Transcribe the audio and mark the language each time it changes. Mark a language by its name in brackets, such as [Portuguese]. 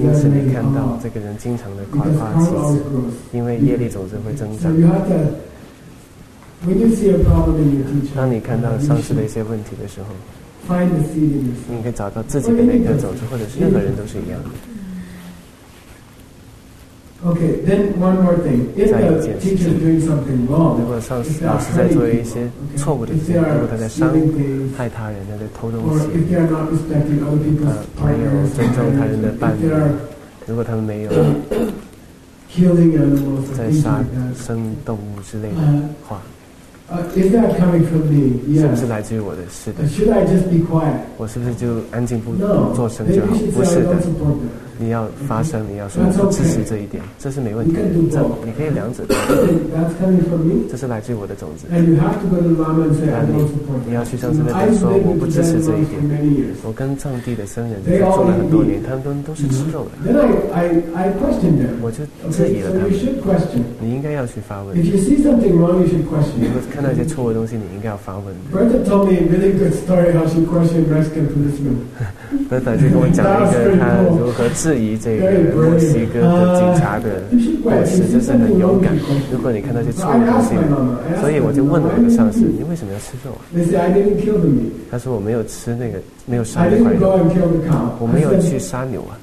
[Chinese] 因此你看到这个人经常的夸夸其词，因为业力总是会增长。 [English] So you have to, when you see a problem in your teacher, [Chinese] 当你看到上司的一些问题的时候 [English] ，find the seed in yourself. [Chinese] 你可以找到自己的那颗种子，或者是任何人都是一样的。 [English] Okay, then one more thing. If the teacher is doing something wrong, [Chinese] 如果上司老师在做一些错误的事情，如果他在伤害他人，他在偷东西，没有尊重他人的伴侣，如果他们没有 [English] killing animals, [Chinese] 在杀生动物之类的话， [English] is that coming from me? Yes. [Chinese] 是不是来自于我的？是的。 [English] Should I just be quiet? [Chinese] 我是不是就安静不做声就好？不是的。你要发声，你要说我支持这一点，这是没问题的。这你可以两者。 [English] That's coming from me. [Chinese] 这是来自于我的种子。 [English] And you have to go to Lama and say, I don't support that. [Chinese] 你要去上师那边说，我不支持这一点。我跟藏地的僧人做了很多年，他们都是吃肉的。 [English] Then I questioned them. [Chinese] 我就质疑了他们。 [English] You should question. [Chinese] 你应该要去发问。 [English] If you see something wrong, you should question. [Chinese] 如果看到一些错误的东西，你应该要发问。 [English] Bertha told me a really good story how she questioned Mexican policemen. [Chinese] Bertha 就跟我讲了一个他如何治。质疑这个墨西哥的警察的过失，这是很勇敢。如果你看到一些错误东西，所以我就问了我的上司：“你为什么要吃肉啊？” 他说：“我没有吃那个，没有杀那块牛。” 我没有去杀牛啊。